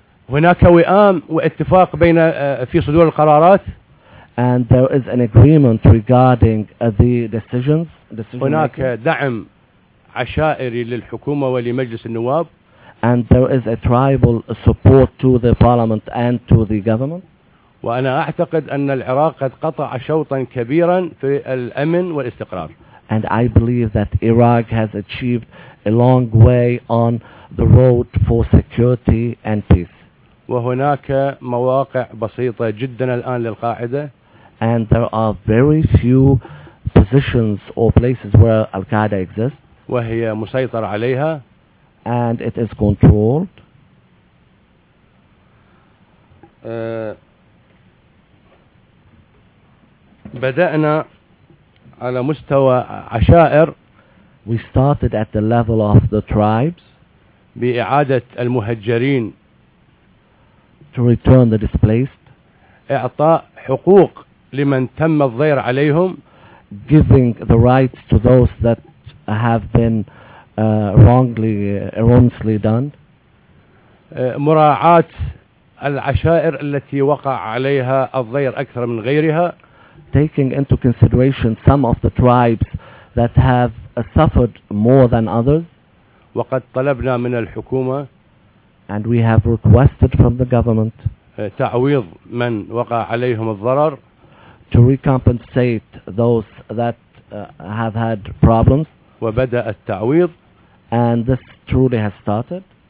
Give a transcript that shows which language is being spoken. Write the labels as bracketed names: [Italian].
[Arabic] هناك وئام واتفاق بين في صدور القرارات, [English] and there is an agreement regarding the decisions. [Arabic] هناك دعم عشائري للحكومة ولمجلس النواب, [English] and there is a tribal support to the parliament and to the government. [Arabic] وأنا أعتقد أن العراق قد قطع شوطا كبيرا في الأمن والاستقرار, [English] and I believe that Iraq has achieved a long way on the road for security and peace. [Arabic] وهناك مواقع بسيطة جدا الآن للقاعدة, [English] and there are very few positions or places where Al-Qaeda exists. [Arabic] وهي مسيطر عليها. [English] And it is controlled. [Arabic] بدأنا على مستوى عشائر. [English] We started at the level of the tribes. [Arabic] بإعادة المهجرين. [English] To return the displaced. [Arabic] إعطاء حقوق لمن تم الضير عليهم. [English] Giving the rights to those that have been erroneously done. [Arabic] مراعاة العشائر التي وقع عليها الضير أكثر من غيرها. [English] Taking into consideration some of the tribes that have suffered more than others. [Arabic] وقد طلبنا من الحكومة. [English] And we have requested from the government. [Arabic] تعويض من وقع عليهم الضرر. [English] To recompensate those that have had problems. [Arabic] وبدأ التعويض. [English] And this truly has started.